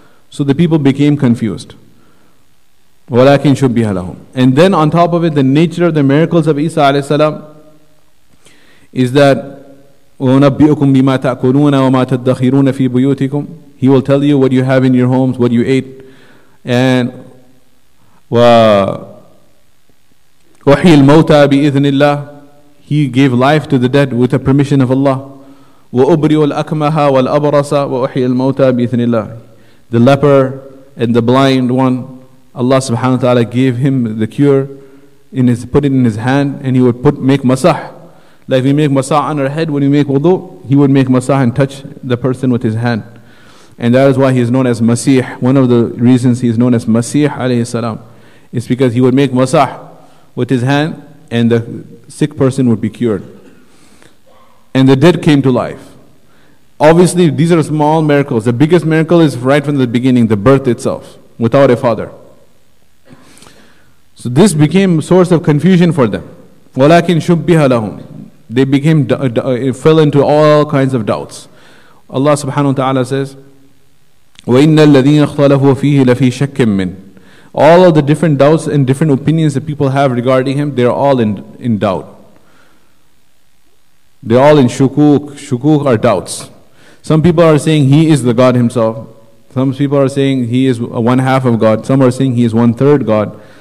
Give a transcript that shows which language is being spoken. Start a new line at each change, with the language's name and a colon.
English: So the people became confused.
Arabic: وَلَكِنْ شُبِّهَ لَهُمْ.
English: And then on top of it, the nature of the miracles of Isa alayhi salam is that
Arabic: وَنَبِّئُكُمْ بِمَا تَأْكُلُونَ وَمَا تَدَّخِرُونَ فِي بُيُوتِكُمْ.
English: He will tell you what you have in your homes, what you ate.
Arabic: And وَحِيَ الْمَوْتَى بِإِذْنِ اللَّهِ.
English: He gave life to the dead with the permission of Allah.
Arabic: وَأُبْرِئُ الْأَكْمَهَ وَالْأَبْرَصَ وَأُحْيِي الْمَوْتَى بِإِذْنِ اللَّهِ.
English: The leper and the blind one, Allah subhanahu wa ta'ala gave him the cure, put it in his hand, and he would make masah. Like we make masah on our head when we make wudu, he would make masah and touch the person with his hand. And that is why he is known as Masih. One of the reasons he is known as Masih alayhi salam is because he would make masah with his hand, and the sick person would be cured. And the dead came to life. Obviously, these are small miracles. The biggest miracle is right from the beginning, the birth itself, without a father. So this became a source of confusion for them.
Arabic: وَلَكِنْ شُبِّهَ لَهُمْ.
English: They became, fell into all kinds of doubts. Allah subhanahu wa ta'ala says,
Arabic: وَإِنَّ الَّذِينَ اخْتَلَفُوا فِيهِ لَفِي شَكٍّ مِّنْ.
English: All of the different doubts and different opinions that people have regarding him, they're all in doubt. They're all in shukuk. Shukuk are doubts. Some people are saying he is the God himself. Some people are saying he is one half of God. Some are saying he is one third God.